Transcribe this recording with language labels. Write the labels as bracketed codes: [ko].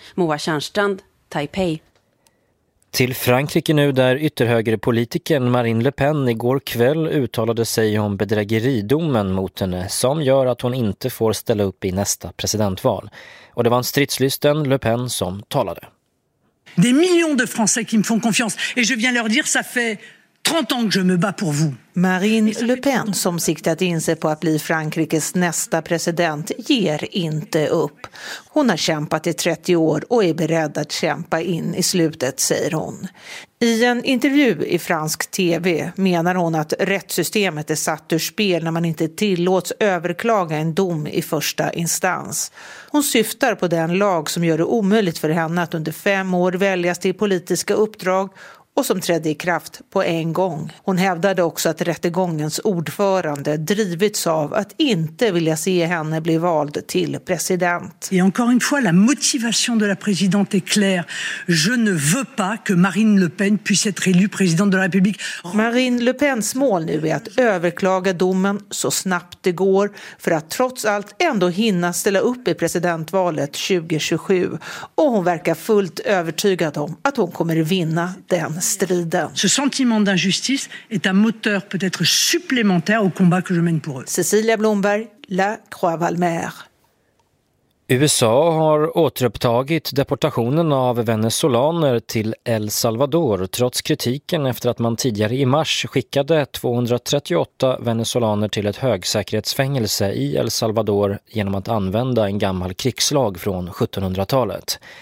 [sv] Moa Kärnstrand, Taipei. Till Frankrike nu, där ytterhögerpolitiken Marine Le Pen igår kväll uttalade sig om bedrägeridomen mot henne som gör att hon inte får ställa upp i nästa presidentval. Och det var en stridslysten Le Pen som talade. [fr] des millions de Français qui me font confiance. Et je viens leur dire, ça fait 30 ans que je me bats pour vous. [sv] Marine Le Pen, som siktat in sig på att bli Frankrikes nästa president, ger inte upp. Hon har kämpat i 30 år och är beredd att kämpa in i slutet, säger hon. I en intervju i fransk TV menar hon att rättssystemet är satt ur spel när man inte tillåts överklaga en dom i första instans. Hon syftar på den lag som gör det omöjligt för henne att under 5 år väljas till politiska uppdrag och som trädde i kraft på en gång. Hon hävdade också att rättegångens ordförande drivits av att inte vilja se henne bli vald till president. [fr] Et encore une fois, la motivation de la présidente est claire. Je ne veux pas que Marine Le Pen puisse être élue présidente de la République. [sv] Marine Le Pens mål nu är att överklaga domen så snabbt det går för att trots allt ändå hinna ställa upp i presidentvalet 2027. Och hon verkar fullt övertygad om att hon kommer vinna den. Striden. [fr] Ce sentiment d'injustice est un moteur peut-être supplémentaire au combat que je mène pour eux. [sv] Cecilia Blomberg, La Croix-Valmer. USA har återupptagit deportationen av venezolaner till El Salvador trots kritiken efter att man tidigare i mars skickade 238 venezolaner till ett högsäkerhetsfängelse i El Salvador genom att använda en gammal krigslag från 1700-talet.